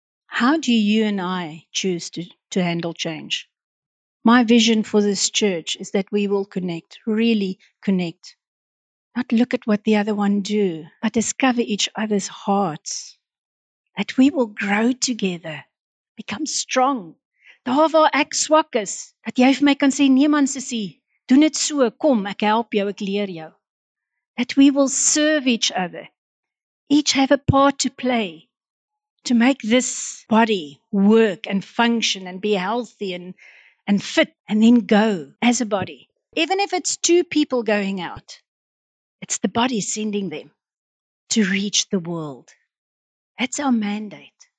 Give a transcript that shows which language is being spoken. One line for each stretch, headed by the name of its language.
English: How do you and I choose to handle change? My vision for this church is that we will connect, really connect. Not look at what the other one do, but discover each other's hearts. That we will grow together, become strong.
Afrikaans: Daar waar ek swak is, dat jy vir my kan sê, nee man sissie, doen dit so, kom, ek help jou, ek leer jou.
English: That we will serve each other. Each have a part to play. To make this body work and function and be healthy and fit and then go as a body. Even if it's two people going out, it's the body sending them to reach the world. That's our mandate.